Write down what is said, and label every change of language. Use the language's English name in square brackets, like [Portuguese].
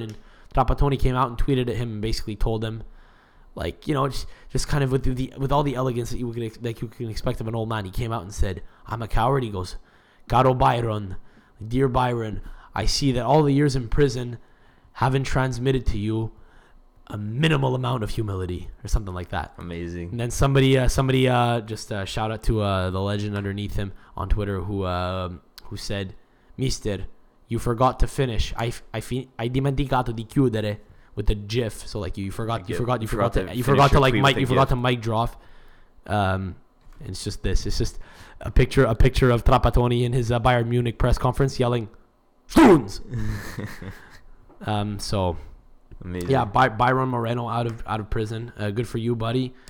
[English] And Trapattoni came out and tweeted at him and basically told him, like, you know, just kind of with all the elegance that you can expect of an old man, he came out and said, "I'm a coward." He goes, [Italian] "Caro Byron, [English] dear Byron, I see that all the years in prison haven't transmitted to you a minimal amount of humility," or something like that. Amazing. And then somebody, shout out to the legend underneath him on Twitter who said, "Mister, you forgot to finish. [Italian] I dimenticato di chiudere," [English] with the GIF. So like you forgot to mic drop. And it's just this. It's just a picture of Trapattoni in his Bayern Munich press conference yelling, "Stones." So. Amazing. Yeah, Byron Moreno out of prison. Good for you, buddy.